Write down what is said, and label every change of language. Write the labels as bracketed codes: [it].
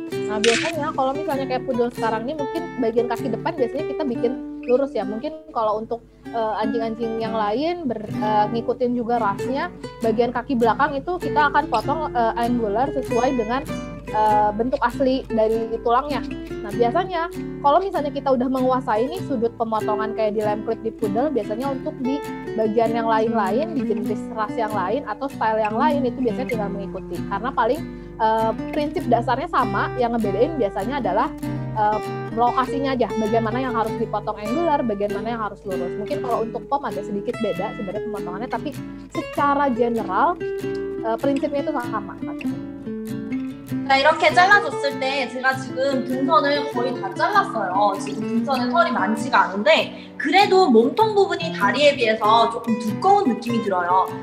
[ko] 아 비슷하네요. 그럼 [id] misalnya kayak poodle sekarang ini mungkin bagian kaki depan biasanya kita bikin lurus ya, mungkin kalau untuk anjing-anjing yang lain ngikutin juga rasnya, bagian kaki belakang itu kita akan potong angular sesuai dengan bentuk asli dari tulangnya. Nah biasanya kalau misalnya kita udah menguasai nih sudut pemotongan kayak di lamb clip di poodle, biasanya untuk di bagian yang lain-lain, di jenis ras yang lain atau style yang lain itu biasanya tinggal mengikuti, karena paling prinsip dasarnya sama, yang ngebedain biasanya adalah lokasinya aja, bagaimana yang harus dipotong angular, bagaimana yang harus lurus. Mungkin kalau untuk pom agak sedikit beda sebenarnya pemotongannya, tapi secara general prinsipnya itu sama. [ko] Nah, 이렇게 잘라줬을 때 제가 지금 등선을 거의 다 잘랐어요. 지금 등선은 털이 많지가 않은데 그래도 몸통 부분이 다리에 비해서 조금 두꺼운 느낌이 들어요.